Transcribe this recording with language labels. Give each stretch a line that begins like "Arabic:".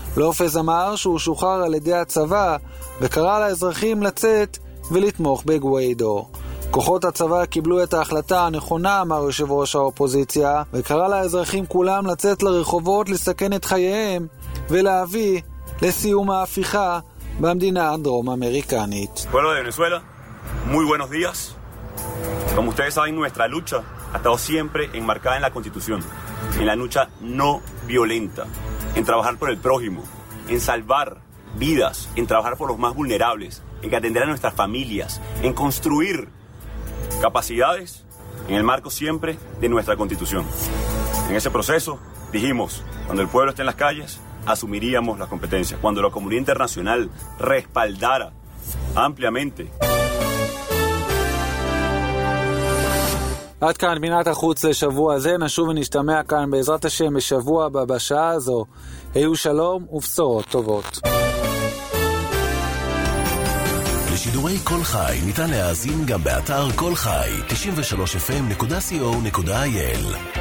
Hebrew: לופס אמר שהוא שוחרר על ידי הצבא וקרא לאזרחים לצאת ולתמוך בגווידו. כוחות הצבא קיבלו את ההחלטה הנכונה, אמר יושב ראש האופוזיציה, וקרא לאזרחים כולם לצאת לרחובות לסכן את חייהם ולהביא לסיום ההפיכה במדינה הדרום אמריקנית.
Spanish: Pueblo de Venezuela, muy buenos días. Como ustedes saben, nuestra lucha ha estado siempre enmarcada en la Constitución, en la lucha no violenta, en trabajar por el prójimo, en salvar vidas, en trabajar por los más vulnerables, en atender a nuestras familias, en construir capacidades en el marco siempre de nuestra Constitución. En ese proceso dijimos, cuando el pueblo esté en las calles, asumiríamos las competencias. Cuando la comunidad internacional respaldara ampliamente...
Hebrew: עד כאן בינת החוץ לשבוע זה, נשוב ונשתמע כאן בעזרת השם בשבוע הבא בשעה הזו. היו שלום ובשורות טובות. לשידורי קול חי ניתן להאזין גם באתר קול חי 93fm.co.il.